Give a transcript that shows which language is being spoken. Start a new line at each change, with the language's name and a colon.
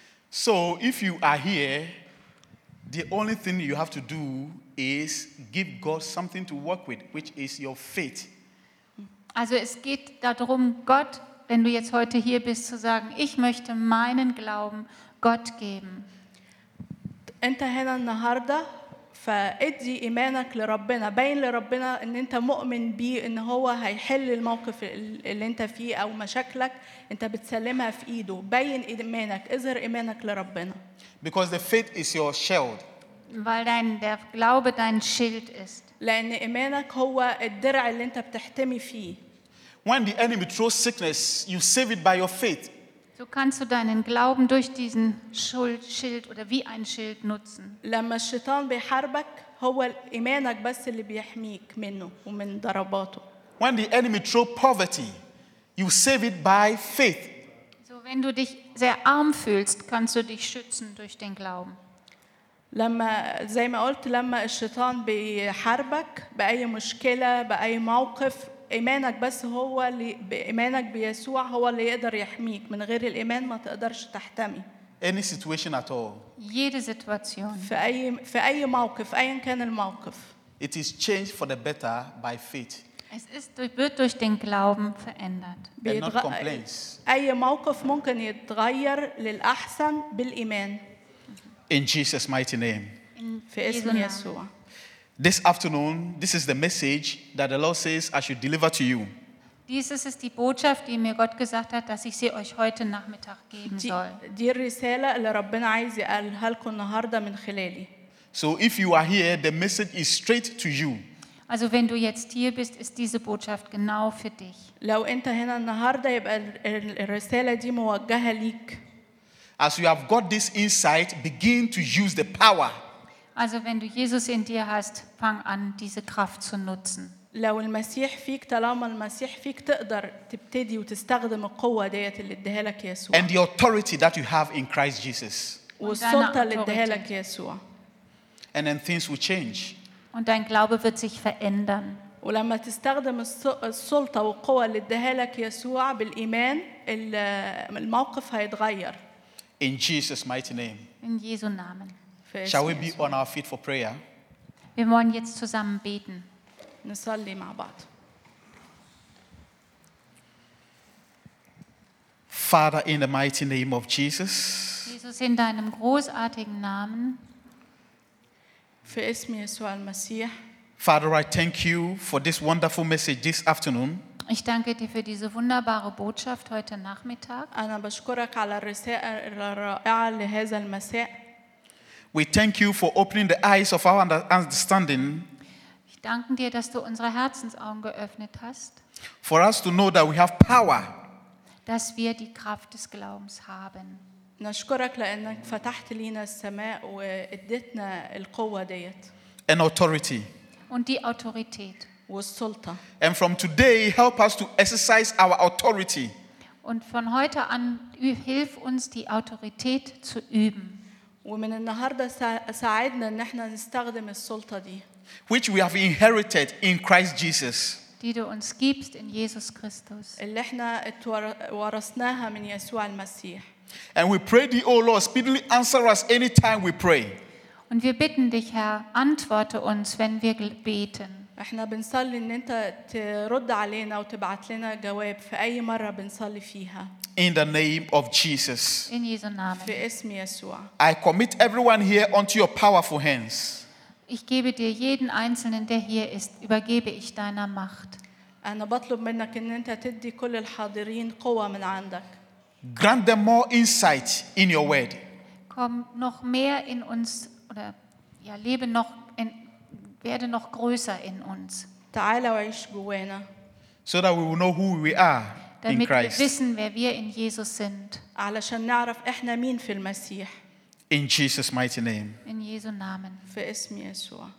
English: So if you are here, the only thing you have to do is give God something to work with, which is your faith.
German: Also es geht darum, Gott, wenn du jetzt heute hier bist, zu sagen, ich möchte meinen Glauben Gott geben.
Arabic: انت هنا النهارده فادي ايمانك لربنا، باين لربنا ان انت مؤمن بيه ان هو هيحل الموقف اللي انت فيه او مشاكلك انت بتسلمها في ايده، باين ايمانك، اظهر ايمانك لربنا.
English: Because the faith is your shield.
German: Weil der Glaube dein Schild ist.
Arabic: لان ايمانك هو الدرع اللي انت بتحتمي فيه.
English: When the enemy throws sickness, you save it by your faith.
German: So kannst du deinen Glauben durch diesen Schild oder wie ein Schild nutzen.
Arabic: لما الشيطان بيحاربك هو إيمانك بس اللي بيحميك منه ومن ضرباته.
English: When the enemy throws poverty, you save it by faith.
German: So wenn du dich sehr arm fühlst, kannst du dich schützen durch den Glauben.
Arabic: لما زي ما قلت لما الشيطان بيحاربك بأي مشكلة بأي موقف إيمانك بس هو اللي بإيمانك بيسوع هو اللي يقدر يحميك من غير الإيمان ما تقدرش تحتمي.
English: Any situation at all.
German: Jede Situation.
Arabic: في أي موقف أيا كان الموقف.
English: It is changed for the better by faith.
German: Es ist wird durch den Glauben verändert.
English: And not complaints.
Arabic: أي موقف ممكن يتغير للأحسن بالإيمان.
English: In Jesus' mighty name.
Arabic: في اسم يسوع.
English: This afternoon, this is the message that the Lord says I should deliver to you.
German: Dieses ist die Botschaft, die mir Gott gesagt hat, dass ich sie euch heute Nachmittag geben soll. Die Rissale, die
Arabic: ربنا عايز يقالها لكم النهارده من خلالي.
English: So if you are here, the message is straight to you.
German: Also wenn du jetzt hier bist, ist diese Botschaft genau für dich.
Arabic: لو انت هنا النهارده يبقى الرساله دي موجهه ليك.
English: As you have got this insight, begin to use the power.
German: Also wenn du Jesus in dir hast, fang an, diese Kraft zu nutzen.
Arabic: لو المسيح فيك طالما المسيح فيك تقدر تبتدي وتستخدم القوة ديت اللي اديها لك يسوع.
English: And the authority that you have in Christ Jesus.
Arabic: والسلطة اللي اديها لك يسوع.
English: And then things will change.
German: Und dein Glaube wird sich verändern.
Arabic: ولما تستخدم السلطة والقوة اللي اديها لك يسوع بالإيمان الموقف هيتغير.
English: In Jesus' mighty name.
German: In Jesu Namen.
English: Shall we be on our feet for prayer?
German: Wir wollen jetzt zusammen beten.
Arabic: نصلي مع بعض.
English: Father, in the mighty name of Jesus.
German: Jesus, in deinem großartigen Namen.
Arabic: في اسم يسوع المسيح.
English: Father, I thank you for this wonderful message this afternoon.
German: Ich danke dir für diese wunderbare Botschaft heute Nachmittag.
Arabic: أنا بشكرك على الرسالة الرائعة لهذا المساء.
English: We thank you for opening the eyes of our understanding.
German: Ich danke dir, dass du unsere Herzensaugen geöffnet hast.
English: For us to know that we have power.
German: Dass wir die Kraft des Glaubens haben.
Arabic: نشكرك لأنك فتحت لنا السماء وإدتنا القوة ديت.
English: An authority.
German: Und die Autorität.
Arabic: والسلطة.
English: And from today, help us to exercise our authority.
German: Und von heute an hilf uns die Autorität zu üben.
Arabic: ومن النهاردة ساعدنا إن إحنا نستخدم السلطة دي.
English: Which we have inherited in Christ Jesus.
German: Die du uns gibst in Jesus Christus.
Arabic: اللي إحنا ورثناها من يسوع المسيح.
English: And we pray thee, O Lord, speedily answer us anytime we pray.
German: Und wir bitten dich, Herr, antworte uns, wenn wir beten.
Arabic: احنا بنصلي ان انت ترد علينا وتبعت لنا جواب في اي مره بنصلي فيها.
English: In the name of Jesus.
German: In Jesu Namen.
Arabic: في اسم يسوع.
English: I commit everyone here onto your powerful hands.
German: Ich gebe dir jeden einzelnen, der hier ist, übergebe ich deiner Macht.
Arabic: انا بطلب منك ان انت تدي كل الحاضرين قوه من عندك.
English: Grant them more insight in your word.
German: Komm noch mehr in uns oder ja lebe noch in werde noch größer in uns. Teile euch gewöhne.
English: So that we will know who we are
German: damit
English: in Christ.
German: Damit wir wissen, wer wir in Jesus sind.
Arabic: علشان نعرف احنا مين في المسيح.
English: In Jesus' mighty name.
German: In Jesu Namen. Für
Arabic: اسم يسوع.